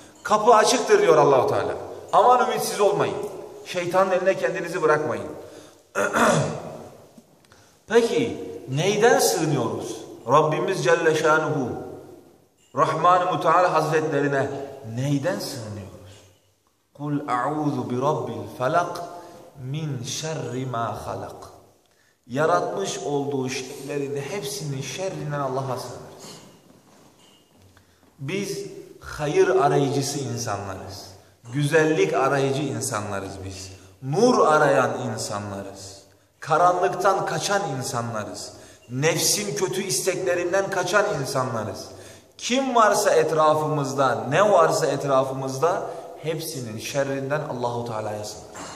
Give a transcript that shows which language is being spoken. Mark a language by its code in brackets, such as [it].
[tr] Kapı açıktır diyor Allah-u Teala. Aman ümitsiz olmayın. Şeytanın eline kendinizi bırakmayın. Peki neyden sığınıyoruz? Rabbimiz Celle Şanuhu, Rahman-ı Muteal Hazretlerine neyden sığınıyoruz? [ar] قُلْ اَعُوذُ بِرَبِّ الْفَلَقِ مِنْ شَرِّ مَا خَلَقِ [tr] Yaratmış olduğu şeylerin hepsinin şerrinden Allah'a sığınırız. Biz hayır arayıcısı insanlarız. Güzellik arayıcı insanlarız biz. Nur arayan insanlarız. Karanlıktan kaçan insanlarız. Nefsin kötü isteklerinden kaçan insanlarız. Kim varsa etrafımızda, ne varsa etrafımızda hepsinin şerrinden Allah-u Teala'ya sığınırız.